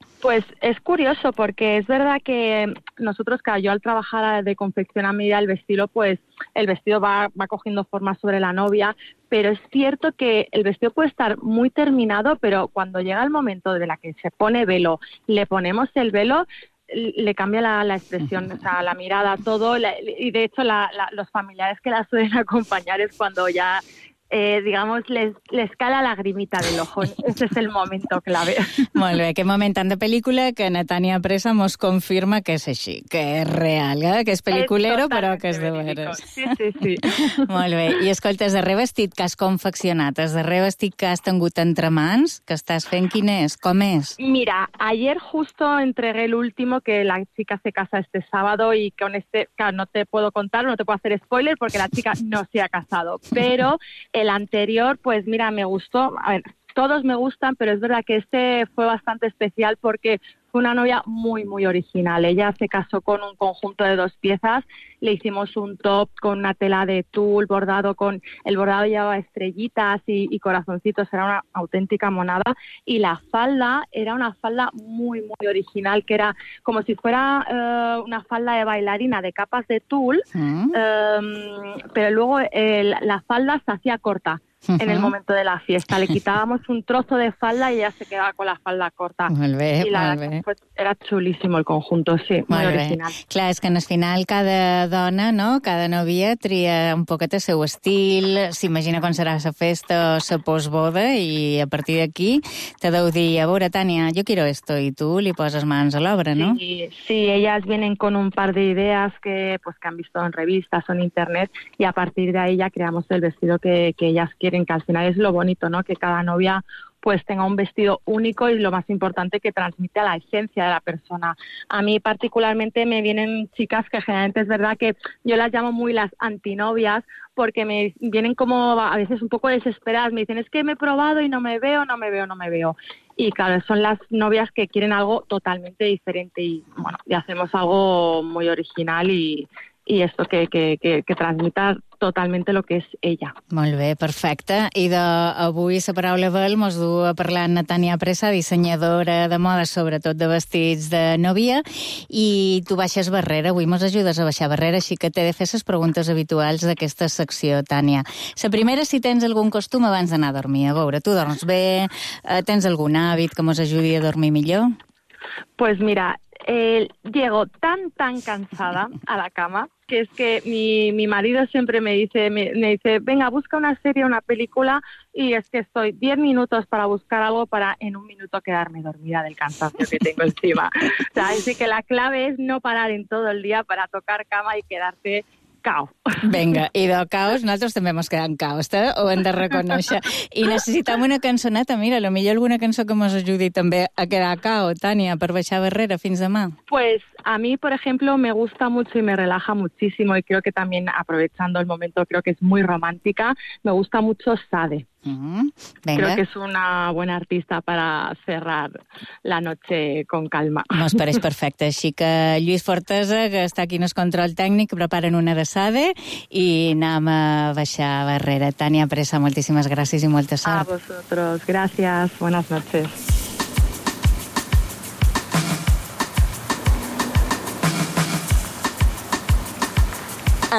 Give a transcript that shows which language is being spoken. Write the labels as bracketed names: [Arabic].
[Spanish] Pues es curioso porque es verdad que nosotros, claro, yo al trabajar de confección a medida el vestido, pues el vestido va cogiendo forma sobre la novia, pero es cierto que el vestido puede estar muy terminado, pero cuando llega el momento de la que se pone velo, le ponemos el velo, le cambia la expresión, o sea, la mirada, todo, y de hecho los familiares que la suelen acompañar es cuando ya digamos, les cala la lagrimita del ojo. Ese es el momento clave. [Catalan] Molt bé, aquest moment tant de pel·lícula que Natània Presa mos confirma que és així, que és real, que és peliculero, però que és de veres. Sí, sí, sí. Molt bé. I escolta, és de revestit que has confeccionat, és de revestit que has tingut entre mans, que estàs fent, quin és? Com és? [Spanish] Mira, ayer justo entregué el último, que la chica se casa este sábado y con este, claro, no te puedo contar, no te puedo hacer spoiler porque la chica no se ha casado, pero el anterior, pues mira, me gustó, a ver, todos me gustan, pero es verdad que este fue bastante especial porque fue una novia muy, muy original. Ella se casó con un conjunto de dos piezas, le hicimos un top con una tela de tul bordado con, el bordado llevaba estrellitas y corazoncitos, era una auténtica monada, y la falda era una falda muy, muy original, que era como si fuera una falda de bailarina de capas de tul, pero luego la falda se hacía corta. Uh-huh. En el momento de la fiesta le quitábamos un trozo de falda y ella se quedaba con la falda corta. [Catalan] Molt bé, [Spanish] y la [Catalan] molt bé. [Spanish] Era chulísimo el conjunto, sí, molt muy [Catalan] bé. [Spanish] Original. [Catalan] Clar, és que en el final cada dona, no?, cada novia tria un poquet el seu estil, s'imagina com serà la festa o la postboda, i a partir d'aquí te deu dir, a veure, Tània, jo [Spanish] quiero esto, [Catalan] i tu li poses mans a l'obra, no? [Spanish] Sí, sí, elles vienen con un par de ideas que, pues, que han visto en revistas o en internet, y a partir de ahí ya creamos el vestido que ellas quieren, que al final es lo bonito, ¿no? Que cada novia pues tenga un vestido único y lo más importante, que transmite la esencia de la persona. A mí particularmente me vienen chicas que generalmente es verdad que yo las llamo muy las antinovias, porque me vienen como a veces un poco desesperadas, me dicen, es que me he probado y no me veo, no me veo, no me veo. Y claro, son las novias que quieren algo totalmente diferente y bueno, y hacemos algo muy original y esto que transmita totalmente lo que és ella. [Catalan] Molt bé, perfecte. I d'avui la paraula vel mos du a parlar amb Natània Presa, dissenyadora de moda, sobretot de vestits de novia, i tu baixes barrera. Avui mos ajudes a baixar barrera, així que t'he de fer les preguntes habituals d'aquesta secció, Tània. La primera, si tens algun costum abans d'anar a dormir. A veure, tu dorms bé? Tens algun hàbit que mos ajudi a dormir millor? [Spanish] Pues mira, llego tan cansada a la cama, que es que mi marido siempre me dice, venga, busca una serie, una película, y es que estoy 10 minutos para buscar algo para en un minuto quedarme dormida del cansancio que tengo encima. O sea, así que la clave es no parar en todo el día para tocar cama y quedarte caos. [Catalan] Venga, i de caos, nosaltres també mos quedem caos, ho hem de reconèixer. I necessitem una cançoneta, mira, a lo millor alguna cançó que mos ajudi també a quedar caos, Tània, per baixar barrera, fins demà. [Spanish] Pues a mí, por ejemplo, me gusta mucho y me relaja muchísimo, y creo que también, aprovechando el momento, creo que es muy romántica, me gusta mucho Sade. Venga. Creo que es una buena artista para cerrar la noche con calma. [Catalan] Nos pareix perfecte. Així que Lluís Fortesa, que està aquí en el control tècnic, preparen una de Sade i anem a baixar barrera. Tània Presa, moltíssimes gràcies i molta sort. [Spanish] A vosotros, gràcies. Buenas noches.